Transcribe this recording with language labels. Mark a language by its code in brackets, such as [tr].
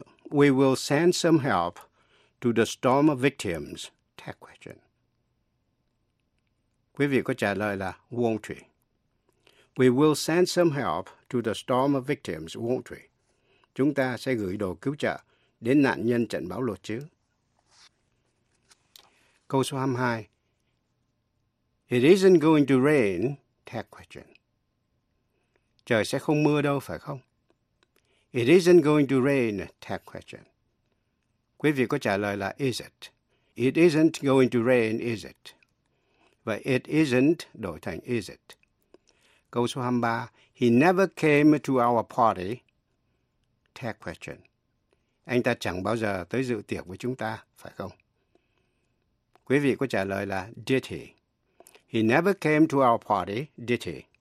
[en] We will send some help to the storm victims. Tag question. [vi] Quý vị có trả lời là [en] won't we? We will send some help to the storm victims, won't we? [vi] Chúng ta sẽ gửi đồ cứu trợ đến nạn nhân trận bão lụt chứ? Câu số 22. [en] It isn't going to rain. Tag question. [vi] Trời sẽ không mưa đâu, phải không? [en] It isn't going to rain. Tag question. [vi] Quý vị có trả lời là [en] is it? It isn't going to rain, is it? [vi] Và [en] it isn't [vi] đổi thành [en] is it. [vi] Câu số 23. [en] He never came to our party. Tag question. [vi] Anh ta chẳng bao giờ tới dự tiệc với chúng ta, phải không? Quý vị có trả lời là [en] did he? He never came to our party, did he?